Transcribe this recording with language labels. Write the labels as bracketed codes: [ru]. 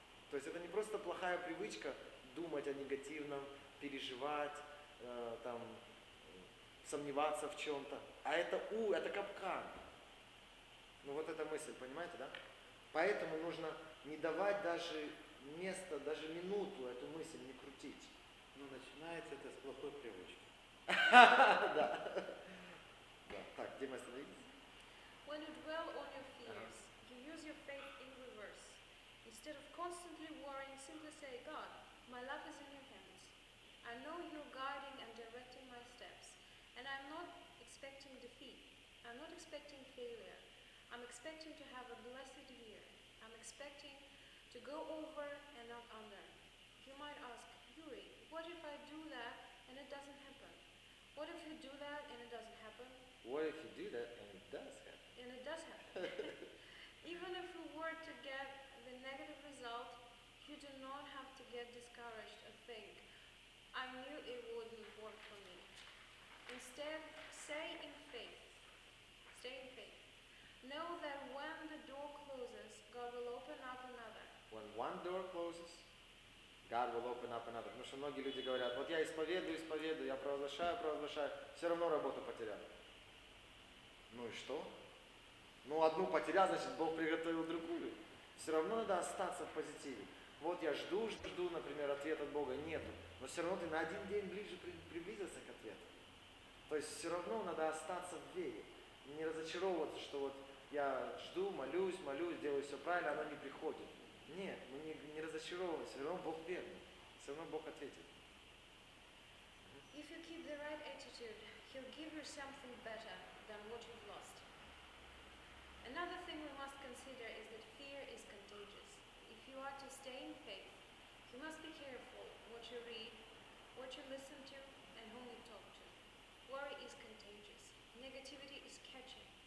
[ru] То есть это не просто плохая привычка думать о негативном, переживать, там, сомневаться в чем-то, а это капкан. Ну вот эта мысль, понимаете, да? Поэтому нужно не давать даже место, даже минуту эту мысль не крутить. Ну начинается это с плохой привычки. Да. Так, где мы остановились? [en] When you dwell on your fears, you use your faith in reverse. Instead of constantly worrying, simply say, God, my life is in your hands. I know you're guiding and directing my steps. And I'm not expecting defeat. I'm not expecting failure. I'm expecting to have a blessed year. I'm expecting to go over and not under. You might ask, Yuri, what if I do that and it doesn't happen? What if you do that and it doesn't happen? What if you do that and it does happen? And it does happen. Even if you were to get the negative result, you do not have to get discouraged or think, I knew it wouldn't work for me. Instead, stay in faith. Know that when the door closes, God will open up another. When one door closes, God will open up another. [ru] Потому что многие люди говорят, вот я исповедую, я провозглашаю, все равно работу потеряю. Ну и что? Ну одну потерял, значит Бог приготовил другую. Все равно надо остаться в позитиве. Вот я жду, например, ответ от Бога. Нету. Но все равно ты на один день ближе приблизился к ответу. То есть все равно надо остаться в вере. Не разочаровываться, что вот я жду, молюсь, делаю все правильно, она не приходит. Нет, мы не разочаровываемся. Все равно Бог верный. Все равно Бог ответит. [en] If you keep the right attitude, He'll give you something better than what you've lost. Another thing we must consider is that fear is contagious. If you are to stay in faith, you must be careful what you read, what you listen to, and whom you talk to. Worry is contagious. Negativity is catching.